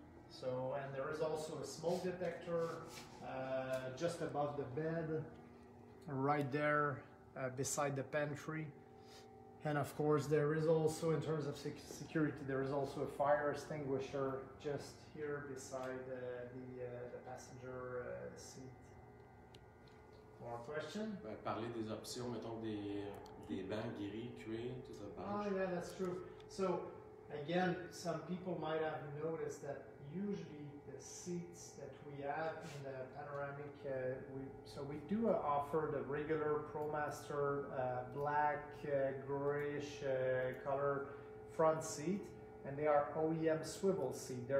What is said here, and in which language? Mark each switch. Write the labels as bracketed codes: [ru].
[en] So, and there is also a smoke detector just above the bed. right there beside the pantry. And of course, there is also, in terms of security, there is also a fire extinguisher just here beside the passenger seat. More question? [fr] Parler des options, mettons des bancs gris, cuir, tout ça. [en] Oh yeah, that's true. So again, some people might have noticed that usually the seats that we have in the Panoramic, we do offer the regular ProMaster black, grayish color front seat, and they are OEM swivel seat.